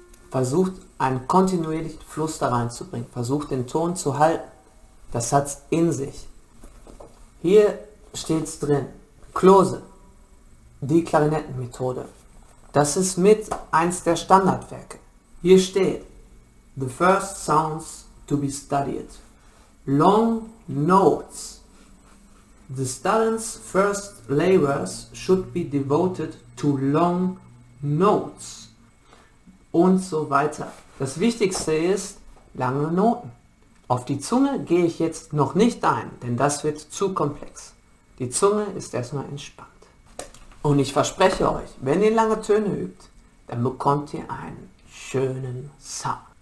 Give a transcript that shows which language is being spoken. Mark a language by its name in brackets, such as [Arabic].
[German] Versucht einen kontinuierlichen Fluss da reinzubringen. Versucht den Ton zu halten. Das hat es in sich. Hier steht es drin. Klose. Die Klarinettenmethode. Das ist mit eins der Standardwerke. Hier steht. [English] The first sounds to be studied. Long notes. The student's first labors should be devoted to long notes. [German] Und so weiter. Das Wichtigste ist lange Noten. Auf die Zunge gehe ich jetzt noch nicht ein, denn das wird zu komplex. Die Zunge ist erstmal entspannt. Und ich verspreche euch, wenn ihr lange Töne übt, dann bekommt ihr einen schönen Sound.